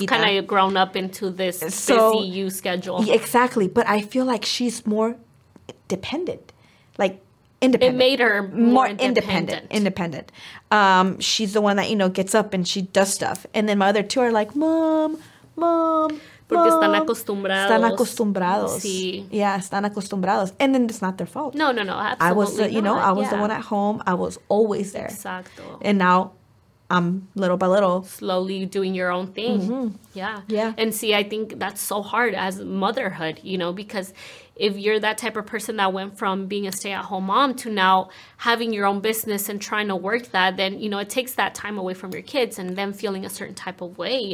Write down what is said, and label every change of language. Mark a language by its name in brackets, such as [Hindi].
[English] She's kind of grown up into this so, busy you schedule. Exactly. But I feel like she's more dependent. Like, independent. It made her more independent. She's the one that, you know, gets up and she does stuff. And then my other two are like, Mom. [Spanish] Porque están acostumbrados. Sí. Yeah, están acostumbrados. [English] And then it's not their fault. No. Absolutely. I was, not. You know, I was yeah. the one at home. I was always there. [Spanish] Exacto. [English] And now I'm little by little. Slowly doing your own thing. Mm-hmm. Yeah. And see, I think that's so hard as motherhood, you know, because if you're that type of person that went from being a stay-at-home mom to now having your own business and trying to work that, then, you know, it takes that time away from your kids and them feeling a certain type of way.